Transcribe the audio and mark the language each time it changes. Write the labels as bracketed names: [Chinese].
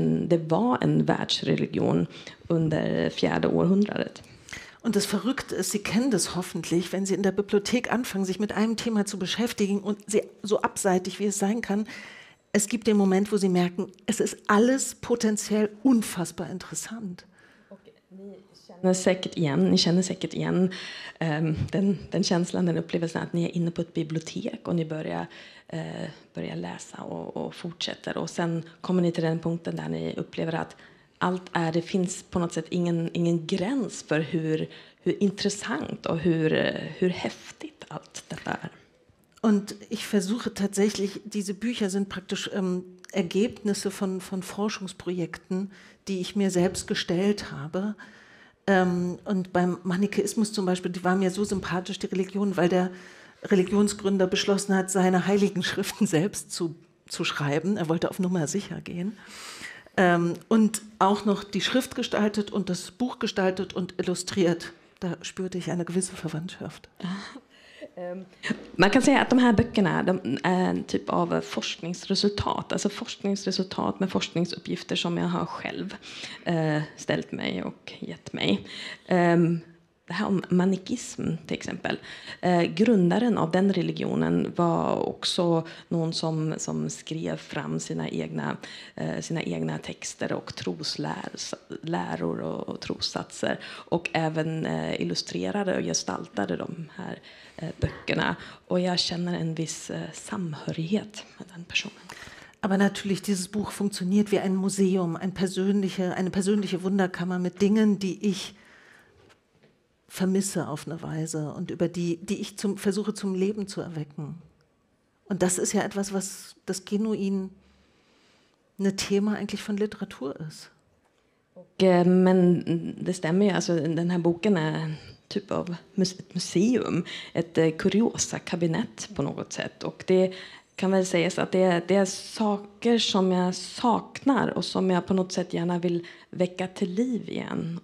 [Swedish] Det var en världsreligion under 4:e århundradet. [German] Und das Verrückte ist, Sie kennen das hoffentlich, wenn Sie in der Bibliothek anfangen, sich mit einem Thema zu beschäftigen und Sie, so abseitig wie es sein kann, es gibt den Moment, wo Sie merken, es ist alles potenziell unfassbar interessant. [Swedish] Ni känner säkert igen den känslan, den upplevelsen att ni är inne på ett bibliotek och ni börjar läsa och fortsätter. Och sen kommer ni till den punkten där ni upplever att allt är, det finns på något sätt ingen gräns för hur intressant och hur häftigt allt detta är. [German] Und ich versuche tatsächlich, diese Bücher sind praktisch Ergebnisse von Forschungsprojekten, die ich mir selbst gestellt habe. Und beim Manichäismus zum Beispiel, die war mir so sympathisch, die Religion, weil der Religionsgründer beschlossen hat, seine heiligen Schriften selbst zu schreiben. Er wollte auf Nummer sicher gehen. Und auch noch die Schrift gestaltet und das Buch gestaltet und illustriert. Da spürte ich eine gewisse Verwandtschaft. [Swedish] Man kan säga att de här böckerna de är en typ av forskningsresultat. Alltså forskningsresultat med forskningsuppgifter som jag har själv ställt mig och gett mig. Det här om manikism till exempel. Grundaren av den religionen var också någon som skrev fram sina egna texter och trosläror och trossatser. Och även illustrerade och gestaltade de här böckerna. Och jag känner en viss samhörighet med den personen. [German] Aber natürlich, dieses Buch funktioniert wie ein Museum, eine persönliche Wunderkammer mit Dingen, die ich vermisse auf eine Weise und über die ich versuche zum Leben zu erwecken. Und das ist ja etwas, was das genuin ein Thema eigentlich von Literatur ist. [Swedish] Men det stämmer ju, alltså den här boken är typ av ett museum, ett kuriosa kabinett på något sätt. Och det kan väl sägas att det är saker som jag saknar och som jag på något sätt gärna vill väcka till liv igen.